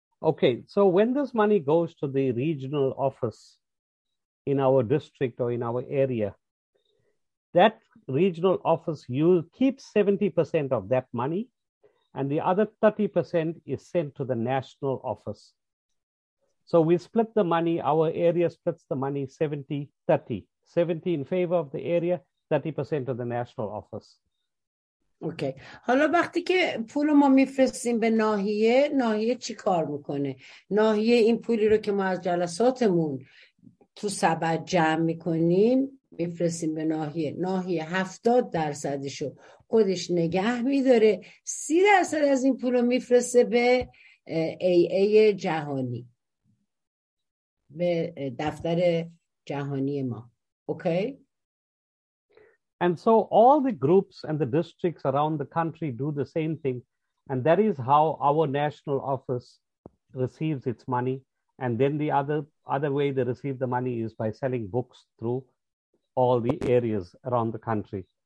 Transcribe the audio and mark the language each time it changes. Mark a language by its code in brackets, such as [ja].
[en] Okay, so when this money goes to the regional office in our district or in our area, that regional office keeps 70% of that money, and the other 30% is sent to the national office. So we split the money, our area splits the money 70-30. 70 in favor of the area, 30% to the national office. [fa] اوکی حالا وقتی که پول ما میفرستیم به ناحیه، ناحیه چی کار میکنه؟ ناحیه این پولی رو که ما از جلساتمون تو سبد جمع میکنیم میفرستیم به ناحیه، ناحیه 70%شو خودش نگه میداره، 30% از این پول رو میفرسته به AA جهانی، به دفتر جهانی ما. اوکی. [en] And so all the groups and the districts around the country do the same thing. And that is how our national office receives its money. And then the other way they receive the money is by selling books through all the areas around the country.